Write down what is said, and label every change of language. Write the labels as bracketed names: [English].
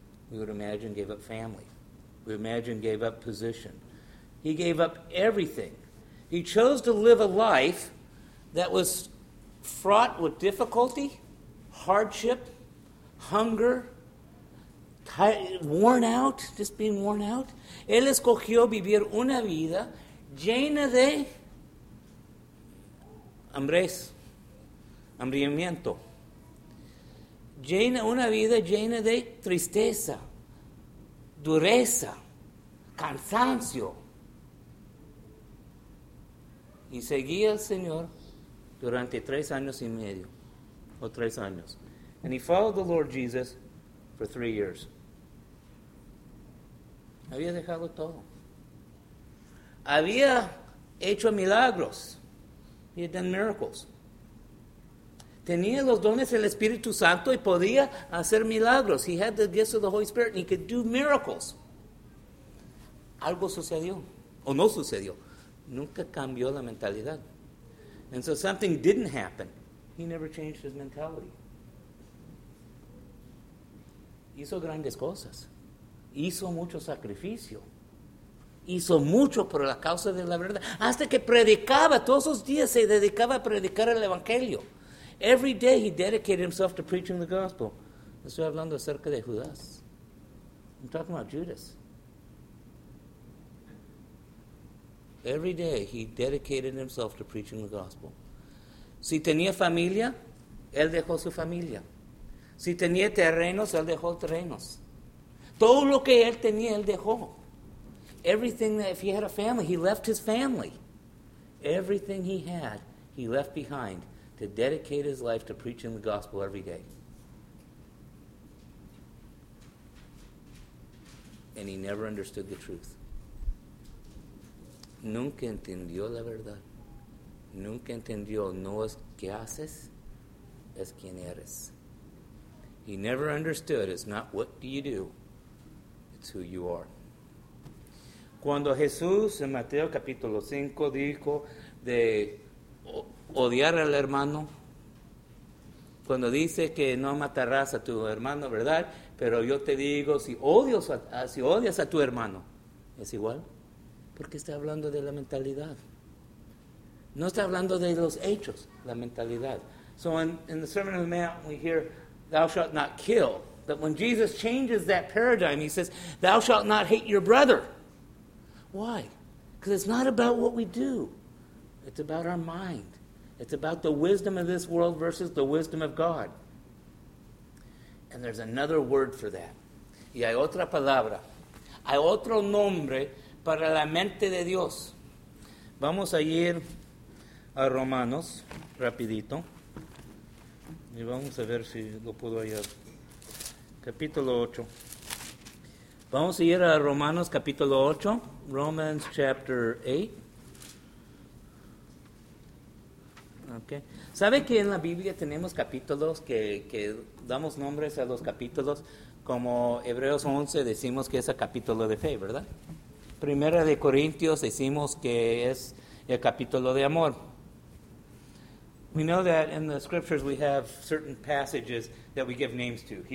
[English] We would imagine gave up family. We imagine gave up position. He gave up everything. He chose to live a life that was fraught with difficulty, hardship, hunger, worn out. [Spanish] Él escogió vivir una vida llena de hambres, hambriamiento. Llena, una vida llena de tristeza, dureza, cansancio. Y seguía al Señor durante 3 años y medio, o 3 años. [English] And he followed the Lord Jesus for 3 years. [Spanish] Había dejado todo. Había hecho milagros. [English] He had done miracles. [Spanish] Tenía los dones del Espíritu Santo y podía hacer milagros. [English] He had the gifts of the Holy Spirit and he could do miracles. [Spanish] Algo sucedió, o no sucedió. Nunca cambió la mentalidad. [English] And so something didn't happen. He never changed his mentality. [Spanish] Hizo grandes cosas. Hizo mucho sacrificio. Hizo mucho por la causa de la verdad. Hasta que predicaba, todos los días se dedicaba a predicar el Evangelio. [English] Every day he dedicated himself to preaching the gospel. [Spanish] Estoy hablando acerca de Judas. [English] I'm talking about Judas. Every day he dedicated himself to preaching the gospel. [Spanish] Si tenía familia, él dejó su familia. Si tenía terrenos, él dejó terrenos. Todo lo que él tenía, él dejó. [English] Everything that, if he had a family, he left his family. Everything he had, he left behind to dedicate his life to preaching the gospel every day. And he never understood the truth. [Spanish] Nunca entendió la verdad. Nunca entendió, no es que haces, es quien eres. [English] He never understood, it's not what do you do, it's who you are. [Spanish] Cuando Jesús en Mateo capítulo 5 dijo de odiar al hermano, cuando dice que no matarás a tu hermano, ¿verdad? Pero yo te digo, si odias a tu hermano, es igual. Porque está hablando de la mentalidad. No está hablando de los hechos, la mentalidad. [English] So in the Sermon on the Mount, we hear, thou shalt not kill. But when Jesus changes that paradigm, he says, thou shalt not hate your brother. Why? Because it's not about what we do. It's about our mind. It's about the wisdom of this world versus the wisdom of God. And there's another word for that. [Spanish] Y hay otra palabra. Hay otro nombre para la mente de Dios. Vamos a ir a Romanos rapidito. Y vamos a ver si lo puedo hallar. Capítulo 8. Vamos a ir a Romanos capítulo 8. [English] Romans chapter 8. Okay. [Spanish] ¿Sabe que en la Biblia tenemos capítulos que damos nombres a los capítulos? Como Hebreos 11 decimos que es el capítulo de fe, ¿verdad? Primera de Corintios decimos que es el capítulo de amor. [English] We know that in the scriptures we have certain passages that we give names to.